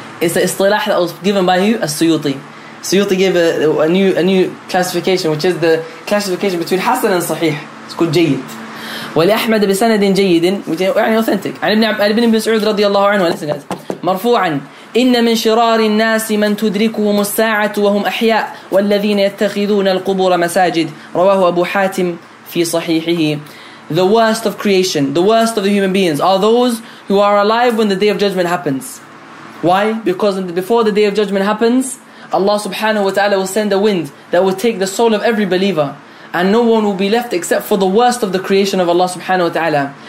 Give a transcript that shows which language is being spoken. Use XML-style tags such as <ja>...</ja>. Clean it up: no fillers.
<en>It's the istilah that was given by you as Suyuti. Suyuti gave a new classification, which is the classification between hasan and sahih. It's called jayyid.</en> <ar>ولأحمد بسند جيد يعني authentic عن ابن مسعود رضي الله عنه مرفوعا إن من شرار الناس من تدركهم الساعة وهم أحياء والذين يتخذون القبور مساجد رواه أبو حاتم في صحيحه.</ar> <en>The worst of creation, the worst of the human beings are those who are alive when the day of judgment happens. Why? Because before the day of judgment happens, Allah subhanahu wa ta'ala will send a wind that will take the soul of every believer, and no one will be left except for the worst of the creation of Allah subhanahu wa ta'ala.</en>